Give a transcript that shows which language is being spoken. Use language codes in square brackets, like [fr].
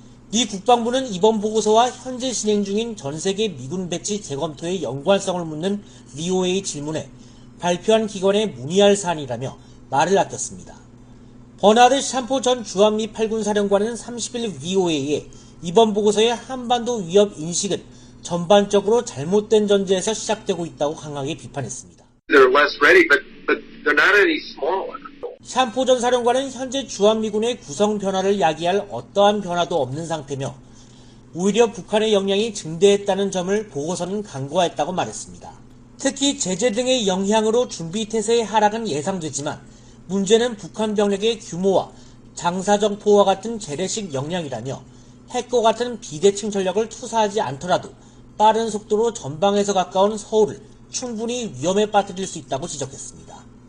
[ko] 미 국방부는 이번 보고서와 현재 진행 중인 전세계 미군 배치 재검토의 연관성을 묻는 VOA 질문에 발표한 기관에 문의할 사안이라며 말을 아꼈습니다. 버나드 샴포 전 주한미 8군 사령관은 30일 VOA에 이번 보고서의 한반도 위협 인식은 전반적으로 잘못된 전제에서 시작되고 있다고 강하게 비판했습니다. [en] They're less ready, but they're not any smaller. [ko] 샴포 전 사령관은 현재 주한미군의 구성 변화를 야기할 어떠한 변화도 없는 상태며 오히려 북한의 역량이 증대했다는 점을 보고서는 강조했다고 말했습니다. 특히 제재 등의 영향으로 준비태세의 하락은 예상되지만 문제는 북한 병력의 규모와 장사정 포와 같은 재래식 역량이라며 핵과 같은 비대칭 전력을 투사하지 않더라도 빠른 속도로 전방에서 가까운 서울을 충분히 위험에 빠뜨릴 수 있다고 지적했습니다.